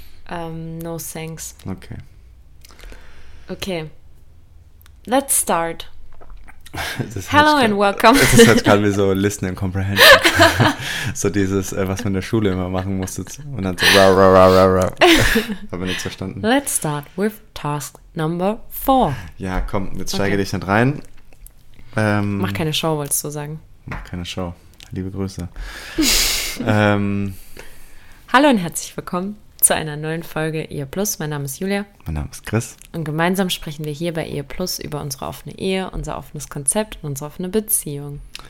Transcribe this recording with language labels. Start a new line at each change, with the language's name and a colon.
English: No thanks. Okay. Okay. Let's start. Hello and welcome.
German: Das ist jetzt gerade wie so
English: Listen and Comprehension.
German: So dieses, was man in der Schule immer machen musste. Und dann so, habe nichts verstanden.
English: Let's start with task number 4.
German: Ja, komm, jetzt steige dich nicht rein. Mach keine Show, wolltest du sagen. Mach keine Show. Liebe Grüße. Hallo und herzlich willkommen zu einer neuen Folge Ehe Plus. Mein Name ist Julia. Mein Name ist Chris. Und gemeinsam sprechen wir hier bei Ehe Plus über unsere offene Ehe, unser offenes Konzept und unsere offene Beziehung.